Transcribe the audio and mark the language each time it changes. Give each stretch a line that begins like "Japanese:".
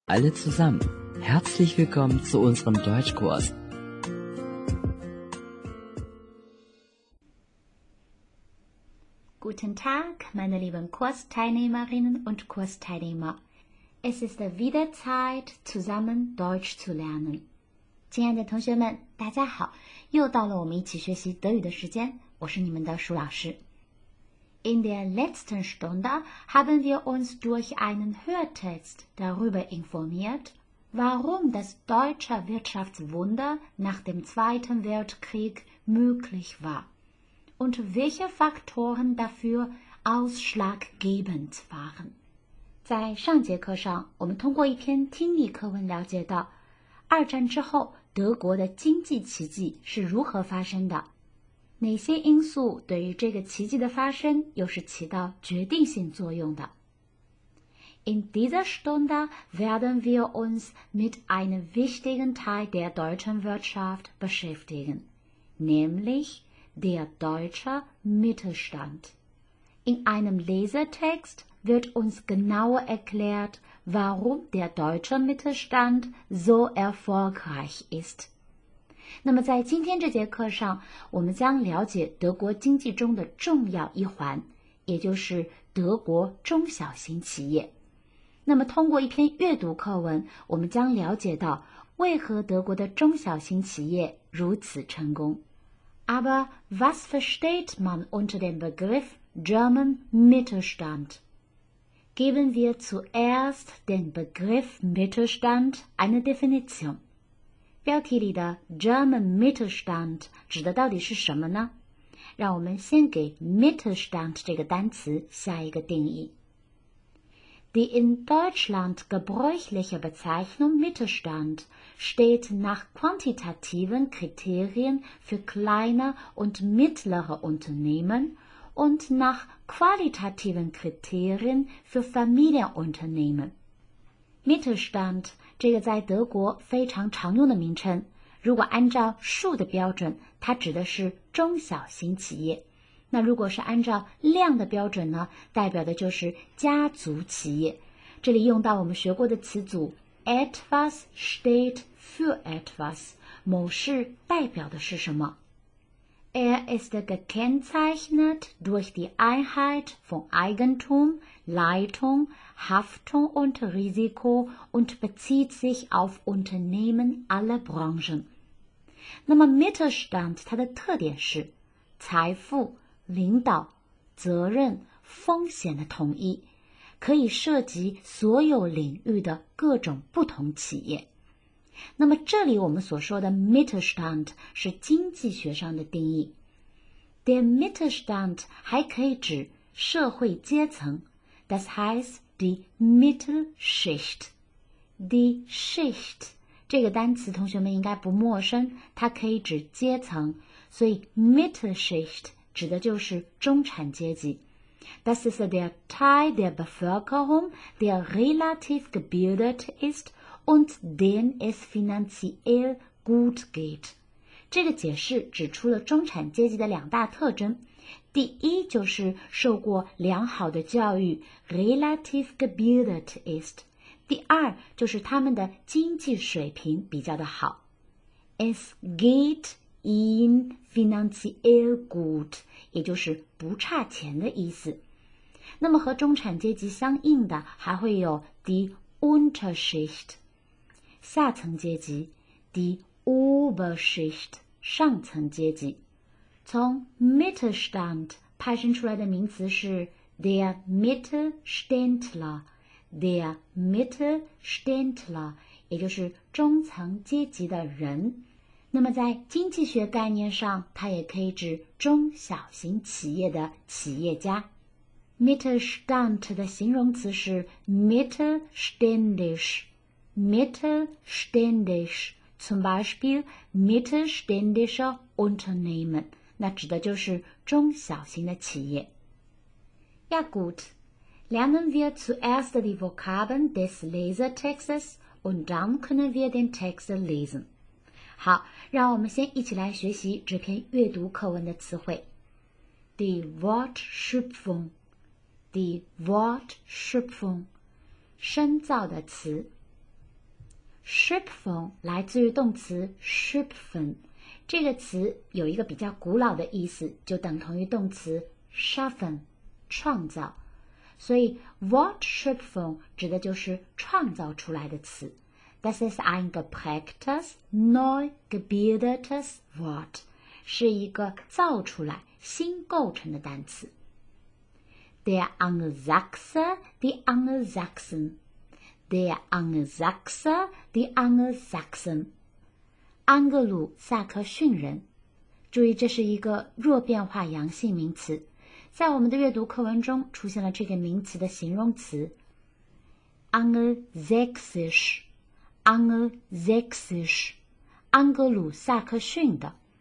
German: Alle zusammen, herzlich willkommen zu unserem Deutschkurs. Guten Tag, meine lieben Kursteilnehmerinnen und Kursteilnehmer. Es ist wieder Zeit, zusammen Deutsch zu lernen.
Chinese: 亲爱的同学们，大家好，又到了我们一起学习德语的时间，我是你们的舒老师。
German: In der letzten Stunde haben wir uns durch einen Hörtest darüber informiert, warum das deutsche Wirtschaftswunder nach dem Zweiten Weltkrieg möglich war und welche Faktoren dafür ausschlaggebend waren.
Chinese: 在上节课上，我们通过一篇听力课文了解到，二战之后德国的经济奇迹是如何发生的。哪些因素对于这个奇迹的发生又是起到决定性作用的
German: ？In dieser Stunde werden wir uns mit einem wichtigen Teil der deutschen Wirtschaft beschäftigen, nämlich der deutsche Mittelstand. In einem Lesetext wird uns genauer erklärt, warum der deutsche Mittelstand so erfolgreich ist.
Chinese: 那么在今天这节课上，我们将了解德国经济中的重要一环，也就是德国中小型企业。那么通过一篇阅读课文，我们将了解到为何德国的中小型企业如此成功。
German: Aber was versteht man unter dem Begriff German Mittelstand? Geben wir zuerst den Begriff Mittelstand eine Definition.
Chinese: 标题里的 German Mittelstand 指的到底是什么呢？让我们先给 Mittelstand 这个单词下一个定义。
German: Die in Deutschland gebräuchliche Bezeichnung Mittelstand steht nach quantitativen Kriterien für kleine und mittlere Unternehmen und nach qualitativen Kriterien für Familienunternehmen.
Chinese: Mittelstand这个在德国非常常用的名称，如果按照数的标准，它指的是中小型企业。那如果是按照量的标准呢，代表的就是家族企业。这里用到我们学过的词组
German: etwas steht für etwas，
Chinese: 某事代表的是什么
German: ？Er ist gekennzeichnet durch die Einheit von Eigentum, Leitung. Haftung und Risiko und bezieht sich auf Unternehmen aller Branchen.
Chinese: 那么 Mittelstand 它的特点是财富、领导、责任、风险的统一，可以涉及所有领域的各种不同企业。那么这里我们所说的 Mittelstand 是经济学上的定义。
German: Der Mittelstand
Chinese: 还可以指社会阶层
German: ,das heißt,Die Mittelschicht. Die Schicht.
Chinese: 这个单词同学们应该不陌生，它可以指阶层，所以 Mittelschicht 指的就是中产阶级。
German: Das ist der Teil der Bevölkerung, der relativ gebildet ist und den es finanziell gut geht.
Chinese: 这个解释指出了中产阶级的两大特征。第一就是受过良好的教育
German: relativ gebildet ist
Chinese: 第二就是他们的经济水平比较的好
German: es geht ihm finanziell gut
Chinese: 也就是不差钱的意思那么和中产阶级相应的还会有
German: die Unterschicht
Chinese: 下层阶级
German: die Oberschicht
Chinese: 上层阶级从 Mittelstand 派生出来的名词是
German: der Mittelständler, der Mittelständler,
Chinese: 也就是中层阶级的人。那么在经济学概念上，它也可以指中小型企业的企业家。
German: Mittelstand
Chinese: 的形容词是
German: Mittelständisch, Mittelständisch, zum Beispiel Mittelständischer Unternehmen.
Chinese: 那指的就是中小型的企业。
German: Ja gut, lernen wir zuerst die Vokabeln des Lesetextes und dann können wir den Text lesen.
Chinese: 好，让我们先一起来学习这篇阅读课文的词汇。
German: Die Wortschöpfung, die Wortschöpfung,
Chinese: 深造的词。 Schöpfen 来自于动词 Schöpfen， 这个词有一个比较古老的意思，就等同于动词 Schaffen， 创造。所以 Wort Schöpfen 指的就是创造出来的词。
German: Das ist ein geprägtes, neu gebildetes Wort，
Chinese: 是一个造出来、新构成的单词。
German: Der Angelsachse, die Angelsachsen。 Der Angelsachse, die Angelsachsen.
Chinese: Angelo 萨克逊人。注意这是一个弱变化阳性名词。在我们的阅读课文中出现了这个名词的形容词。
German: Angelsächsisch, Angelsächsisch,
Chinese: 安格鲁萨克逊的。